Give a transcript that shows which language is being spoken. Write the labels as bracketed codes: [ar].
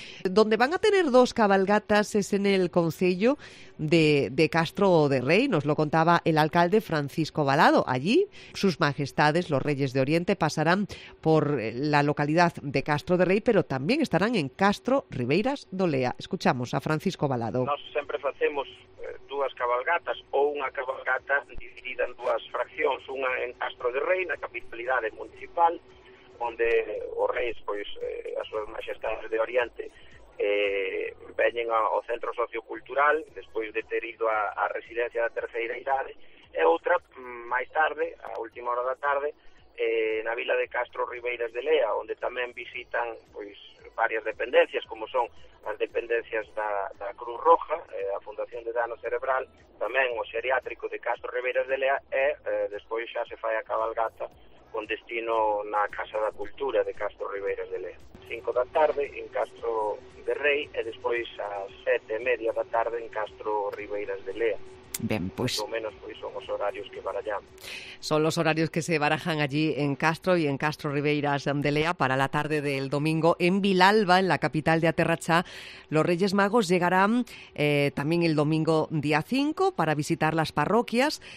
[es] Donde van a tener dos cabalgatas es en el concello de Castro de Rey, nos lo contaba el alcalde Francisco Balado. Allí sus majestades, los Reyes de Oriente, pasarán por la localidad de Castro de Rey, pero también estarán en Castro Ribeiras d'Olea. Escuchamos a Francisco Balado. [gl] Nos sempre facemos dúas cabalgatas ou unha cabalgata dividida en dúas fraccións, unha en Castro de Rei, na capitalidade municipal, onde os reis, pois, as súas majestades de Oriente, veñen ao centro sociocultural, despois de ter ido á residencia da terceira idade, e outra, máis tarde, a última hora da tarde, na vila de Castro Ribeiras de Lea, onde tamén visitan pois varias dependencias, como son as dependencias da Cruz Roja, a Fundación de Dano Cerebral, tamén o xeriátrico de Castro Ribeiras de Lea, e despois xa se fai a cabalgata con destino na Casa da Cultura de Castro Ribeiras de Lea. 5 da tarde en Castro de Rei e despois ás 7:30 da tarde en Castro Ribeiras de Lea. [es] Bien, pues más o menos, pues son los horarios que barajamos. Son los horarios que se barajan allí en Castro y en Castro Ribeiras de Lea para la tarde del domingo. En Vilalba, en la capital de Aterrachá, los Reyes Magos llegarán también el domingo día 5 para visitar las parroquias.